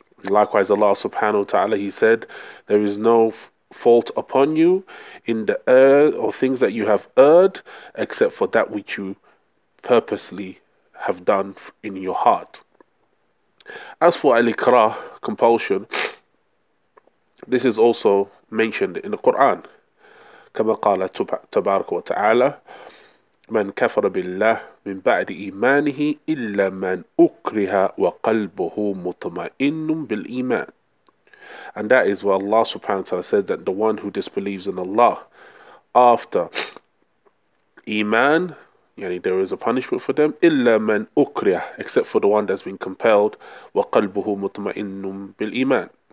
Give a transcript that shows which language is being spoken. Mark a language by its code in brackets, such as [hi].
[en] Likewise, Allah subhanahu wa ta'ala, he said, there is no fault upon you in the earth or things that you have erred except for that which you purposely have done in your heart. As for al-ikrah, compulsion, this is also mentioned in the Quran. [ar] كما قال تبارك وتعالى من كفر بالله من بعد إيمانه إلا من أكره وقلبه مطمئن بالإيمان. [en] And that is where Allah subhanahu wa ta'ala said that the one who disbelieves in Allah after Iman, yani there is a punishment for them, [ar] إلا من أكره, [en] except for the one that's been compelled, [ar] وقلبه مطمئن بالإيمان.